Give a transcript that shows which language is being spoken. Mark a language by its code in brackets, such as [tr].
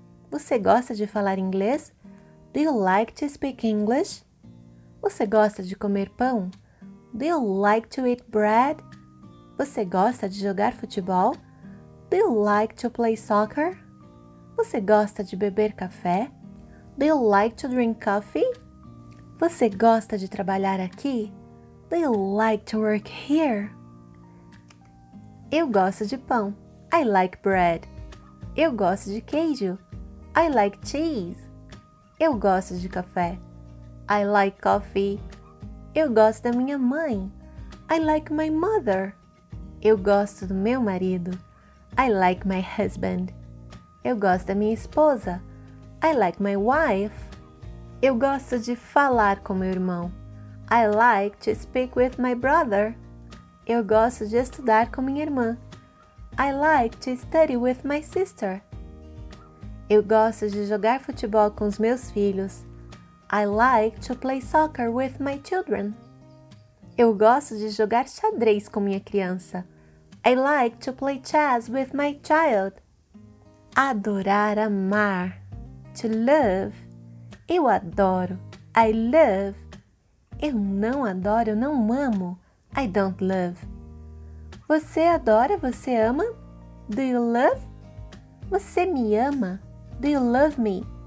[pt] Você gosta de falar inglês? [en] Do you like to speak English? [pt] Você gosta de comer pão? [en] Do you like to eat bread? [pt] Você gosta de jogar futebol? [en] Do you like to play soccer? [pt] Você gosta de beber café? [en] Do you like to drink coffee? [pt] Você gosta de trabalhar aqui? [en] Do you like to work here? [pt] Eu gosto de pão. [en] I like bread. [pt] Eu gosto de queijo. [en] I like cheese. [pt] Eu gosto de café. [en] I like coffee. [pt] Eu gosto da minha mãe. [en] I like my mother. [pt] Eu gosto do meu marido. [en] I like my husband. [pt] Eu gosto da minha esposa. [en] I like my wife. [pt] Eu gosto de falar com meu irmão. [en] I like to speak with my brother. [pt] Eu gosto de estudar com minha irmã. [en] I like to study with my sister. [pt] Eu gosto de jogar futebol com os meus filhos. [en] I like to play soccer with my children. [pt] Eu gosto de jogar xadrez com minha criança. [en] I like to play chess with my child. [pt] Adorar, amar. [en] To love. [pt] Eu adoro. [en] I love. [pt] Eu não adoro, eu não amo. [en] I don't love. [pt] Você adora, você ama? [en] Do you love? [pt] Você me ama? [en] Do you love me?